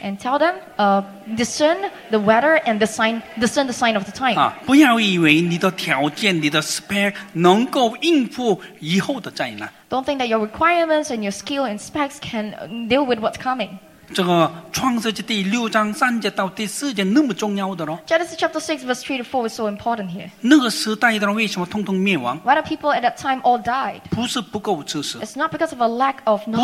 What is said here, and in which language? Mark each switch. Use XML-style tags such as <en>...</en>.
<en>And tell them discern the weather and the sign, discern the sign of the time</en> <zh>不要以为你的条件你的spec 能够应付以后的灾难</zh> <en>Don't think that your requirements and your skill and specs can deal with what's coming</en> <zh>这个创世纪第六章三节到第四节那么重要的咯</zh> <en>Genesis chapter 6 verse 3 to 4 is so important here</en> <zh>那个时代的人为什么统统灭亡</zh> <en>Why do people at that time all died?</en> <zh>不是不够知识</zh> <en>It's not because of a lack of knowledge</en>